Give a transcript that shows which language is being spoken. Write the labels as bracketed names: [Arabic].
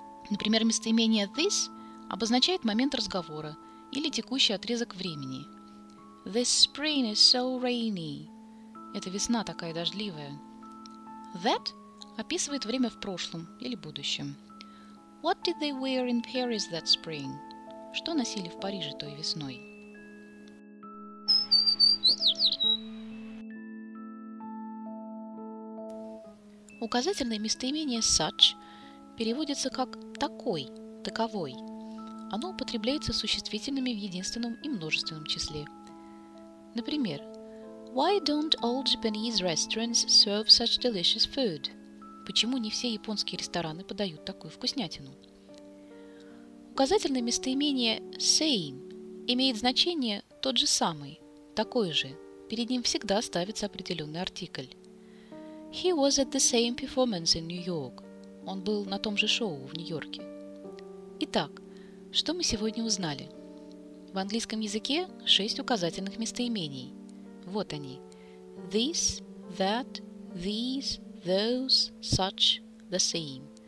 [Russian] Например, местоимение this обозначает момент разговора или текущий отрезок времени. [English] This spring is so rainy. [Russian] Эта весна такая дождливая. That описывает время в прошлом или будущем. [English] What did they wear in Paris that spring? [Russian] Что носили в Париже той весной? Указательное местоимение such переводится как такой, таковой. Оно употребляется существительными в единственном и множественном числе. Например, [English] Why don't all Japanese restaurants serve such delicious food? [Russian] Почему не все японские рестораны подают такую вкуснятину? Указательное местоимение same имеет значение тот же самый, такой же. Перед ним всегда ставится определенный артикль. [English] He was at the same performance in New York. [Russian] Он был на том же шоу в Нью-Йорке. Итак, что мы сегодня узнали? В английском языке 6 указательных местоимений. Вот они. [English] This, that, these, those, such, the same.